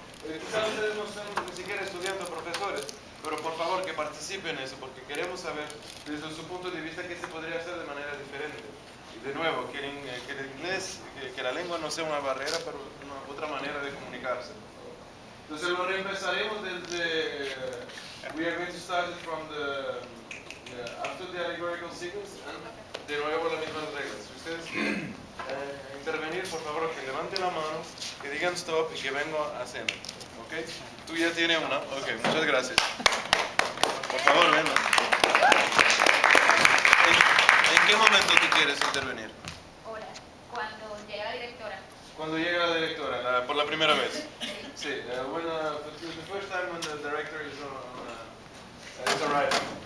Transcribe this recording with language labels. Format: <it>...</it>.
<es>Quizás ustedes no son ni siquiera estudiantes o profesores, pero por favor que participen en eso, porque queremos saber desde su punto de vista qué se podría hacer de manera diferente. Y de nuevo, que el inglés, que la lengua no sea una barrera, pero una otra manera de comunicarse. Entonces lo reempezaremos desde...</es> <en>we are going to start it from the... after the allegorical sequence, and</en> <es>de nuevo las mismas reglas. Ustedes intervenir, por favor, que levanten la mano, que digan stop y que vengo a cenar. ¿Ok? ¿Tú ya tienes una? Ok, muchas gracias. Por favor, ven. ¿En qué momento tú quieres intervenir? Hola, cuando llega la directora. Cuando llega la directora, por la primera vez.</es> <en>Sí, when, the first time when the director is on, it's arriving.</en>